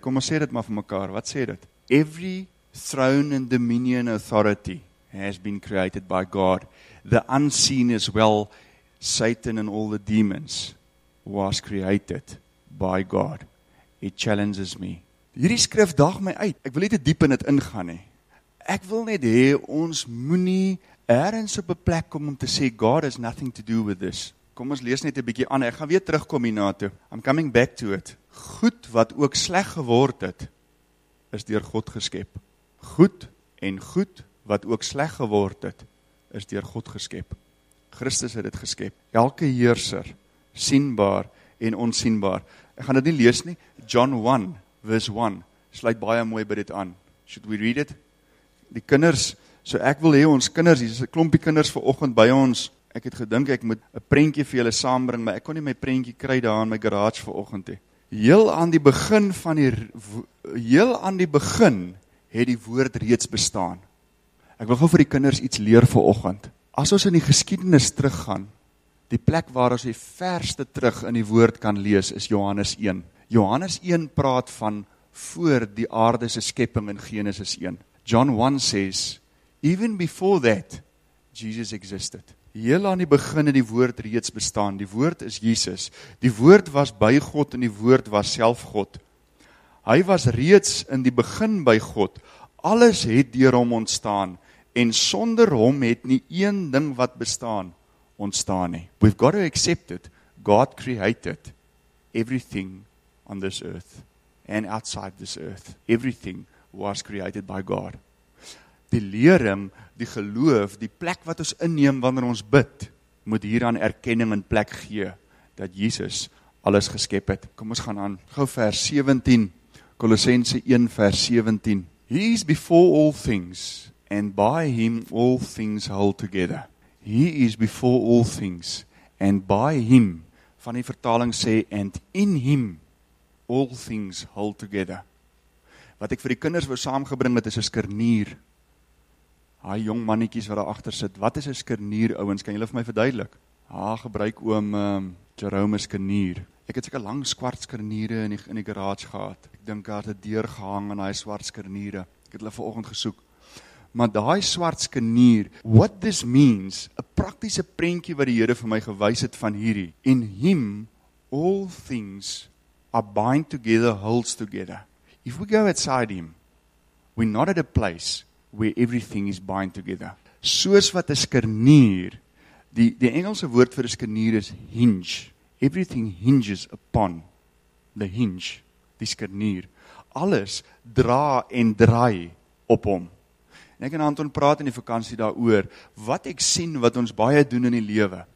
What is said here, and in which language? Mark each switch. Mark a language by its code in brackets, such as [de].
[af] Kom ons sê dit maar vir mekaar. Wat sê dit? [en] Every throne and dominion authority has been created by God. The unseen as well, Satan and all the demons, was created by God. It challenges me. [af] Hierdie skrif daag my uit. Ek wil net diep in dit ingaan hè. Ek wil net hê ons moenie ergens op 'n plek kom om te sê [en] God has nothing to do with this. [af] Kom ons lees net 'n bietjie aan. Ek gaan weer terugkom hierna toe. [en] I'm coming back to it. [af] Goed wat ook sleg geword het, is deur God geskep. Goed en goed wat ook sleg geword het, is deur God geskep. Christus het dit geskep. Elke heerser, sienbaar en onsienbaar. Ek gaan dit nie lees nie. John 1 verse 1 sluit baie mooi by dit aan. [en] Should we read it? [af] Die kinders, so ek wil hê ons kinders, hier is 'n klompie kinders vanoggend by ons. Ek het gedink ek moet 'n prentjie vir julle saambring, maar ek kon nie my prentjie kry daar in my garage vanoggend nie. Heel aan die begin het die woord reeds bestaan. Ek wil gou vir die kinders iets leer vanoggend. As ons in die geskiedenis teruggaan, die plek waar ons die verste terug in die woord kan lees is Johannes 1. Johannes 1 praat van voor die aarde se skepping in Genesis 1. [en] John 1 says, even before that, Jesus existed. [af] Heel aan die begin het die woord reeds bestaan. Die woord is Jesus. Die woord was by God en die woord was self God. Hy was reeds in die begin by God. Alles het deur hom ontstaan En sonder hom het nie een ding wat bestaan ontstaan nie. [en] We've got to accept it. God created everything on this earth and outside this earth. Everything was created by God. [af] Die lering, die geloof, die plek wat ons inneem wanneer ons bid, moet hieraan erkenning en plek gee dat Jesus alles geskep het. Kom ons gaan aan. Gou vers 17. Kolossense 1 vers 17. [en] He is before all things and by him all things hold together. He is before all things and by him, [af] van die vertaling sê, [en] and in him all things hold together. [af] Wat ek vir die kinders wou saamgebring het is 'n skarnier. Haai jong mannetjies wat daar agter sit, wat is 'n skarnier ouens? Kan julle vir my verduidelik? Ha, gebruik oom Jerome skarnier. Ek het seker lang swart skarniere in die garage gehad. Ek dink daar het 'n deur gehang aan daai swart skarniere. Ek het hulle vanoggend gesoek. Maar daai swart skarnier, [en] what this means, [af] 'n praktiese prentjie wat die Here vir my gewys het van hierdie. [en] In him all things are bind together, holds together. If we go outside him, we're not at a place where everything is bind together. [af] Soos wat 'n skarnier, die Engelse woord vir 'n skarnier is hinge. [en] Everything hinges upon the hinge, die skarnier. [af] Alles dra en draai op hom. En ek en Anton praat in die vakansie daaroor, wat ek sien wat ons baie doen in die lewe.